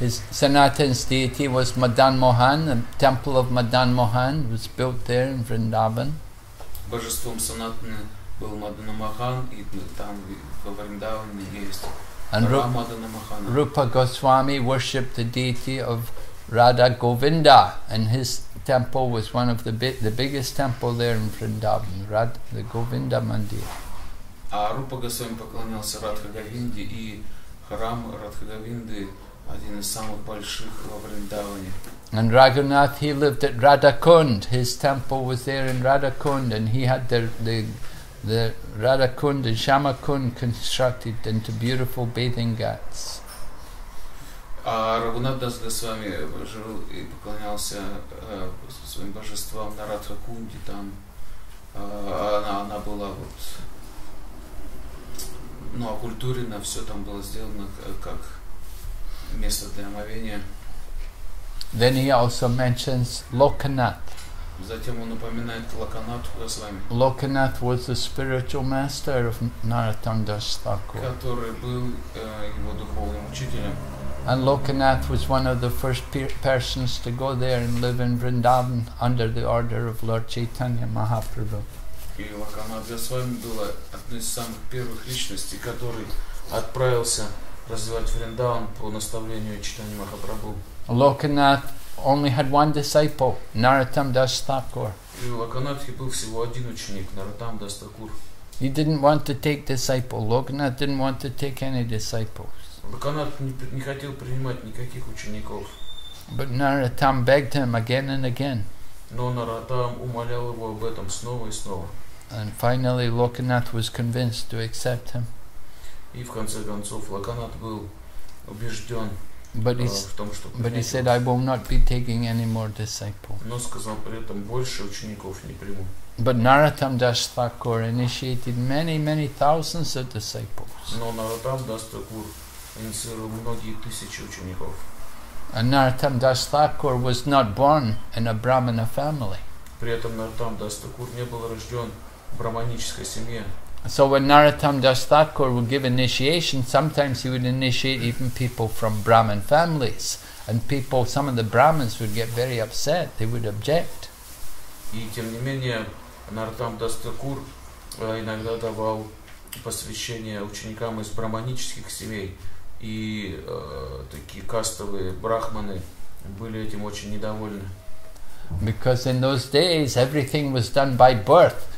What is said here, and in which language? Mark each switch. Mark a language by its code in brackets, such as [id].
[en] Sanatan's deity was Madan Mohan, the temple of Madan Mohan was built there in Vrindavan. [ru] Божеством Санатана был Мадан Махан, и там во Вриндаване есть храм Мадана Махана. [en] Rupa Goswami worshipped the deity of Radha Govinda, and his temple was one of the biggest temple there in Vrindavan, the Govinda Mandir. [ru] А Рупа Госвами поклонялся Радха Говинде, и храм Радха Говинды один из самых больших во Вриндаване. [en] And Raghunath, he lived at Radhakund. His temple was there in Radhakund, and he had the Radhakund and Shamakund constructed into beautiful bathing ghats. [ru] А Рагунат Дас Госвами жил и поклонялся своим божествам на Радхакунде там. Она была вот, ну, оккультурена, все там было сделано как место для омовения. [en] Then he also mentions Lokanath. [ru] Затем он упоминает Локанатху Госвами. [en] Lokanath was the spiritual master of Narottam Das Thakur. [ru] Который был его духовным учителем. [en] And Lokanath was one of the first persons to go there and live in Vrindavan under the order of Lord Chaitanya Mahaprabhu. [ru] И Локанатх Госвами был одной из самых первых личностей, который отправился развивать Вриндаван по наставлению Чайтаньи Махапрабху. [en] Lokanath only had one disciple, Narottam Das Thakur. [ru] И Локанатхи был всего один ученик, Narottam Das Thakur. [en] He didn't want to take disciple. Lokanath didn't want to take any disciples. [ru] Канат не хотел принимать никаких учеников. [en] But Narottam begged him again and again. [ru] Но Narottam умолял его об этом снова и снова. [en] And finally, Lokanath was convinced to accept him. [ru] И в конце концов Локонат был убежден. [en] But he said, "I will not be taking any more disciples." [ru] Но сказал при этом, больше учеников не приму. [en] But Narottam Das Thakur initiated many, many thousands of disciples. [ru] Но Narottam Das Thakur инициировал многие тысячи учеников. [en] And Narottam Das Thakur was not born in a Brahmana family. [ru] При этом Narottam Das Thakur не был рожден в брахманической семье. [en] So when Narottam Das Thakur would give initiation, sometimes he would initiate even people from Brahmin families. And people, some of the Brahmins would get very upset, they would object. [ru] И тем не менее, Narottam Das Thakur иногда давал посвящение ученикам из брахманических семей. И такие кастовые брахманы были этим очень недовольны. [en] Because in those days everything was done by birth.